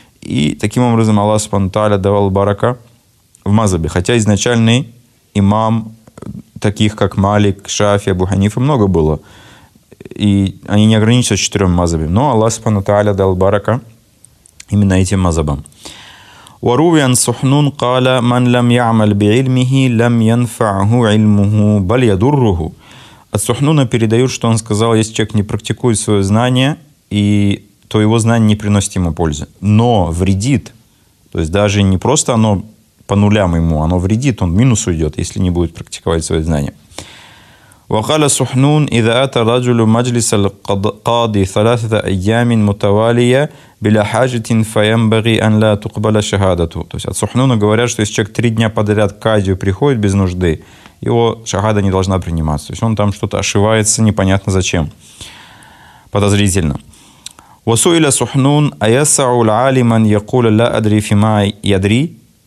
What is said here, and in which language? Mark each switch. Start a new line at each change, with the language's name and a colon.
Russian: И таким образом Аллах Субхану Тааля давал барака в мазабе. Хотя изначальный имам, таких как Малик, Шафи, Абу Ханифа, много было. И они не ограничиваются 4 мазабами. Но Аллах Субхану Тааля дал барака именно этим мазабам.
Arabic: وروي عن سحنون قال من لم يعمل بعلمه لم ينفعه علمه بل يضره.
Russian: От Сухнуна передают, что он сказал, если человек не практикует свое знание, и то его знание не приносит ему пользы, но вредит. То есть даже не просто оно по нулям ему, оно вредит, он в минус уйдет, если не будет практиковать свое знание.
Arabic: وقال سحنون إذا أتى رجل مجلس القاضي ثلاثة أيام متوالية بلا حاجة فينبغي أن لا تقبل شهادته.
Russian: То есть от Сухнуна говорят, что если человек 3 дня подряд к кадию приходит без нужды, его шахада не должна приниматься. То есть он там что-то ошивается, непонятно зачем. Подозрительно.
Arabic: وَسُئِلَ سُحْنُون أَيَسَعُ الْعَالِمَنْ يَقُولَ لَا أَدْرِي فِمَا يَدْرِي.